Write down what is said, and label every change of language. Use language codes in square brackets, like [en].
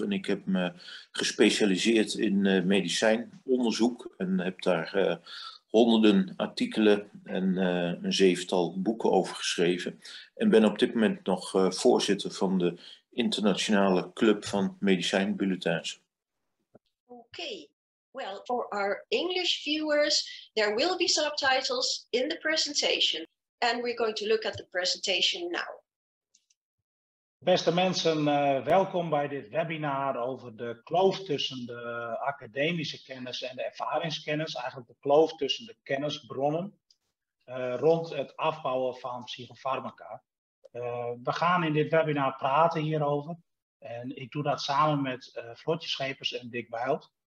[nl] En ik heb me gespecialiseerd in medicijnonderzoek. En heb daar honderden artikelen en een zevental boeken over geschreven. En ben op dit moment nog voorzitter van de Internationale Club van Medicijnbulletins. Okay. [en] Well, for our English viewers, there will be subtitles in the presentation. And we're going to look at the presentation now. [nl] Beste mensen, welkom bij dit webinar over de kloof tussen de academische kennis en de ervaringskennis. Eigenlijk de kloof tussen de kennisbronnen rond het afbouwen van psychofarmaca. We gaan in dit webinar praten hierover. En ik doe dat samen met Floortje Schepers en Dick Bijl.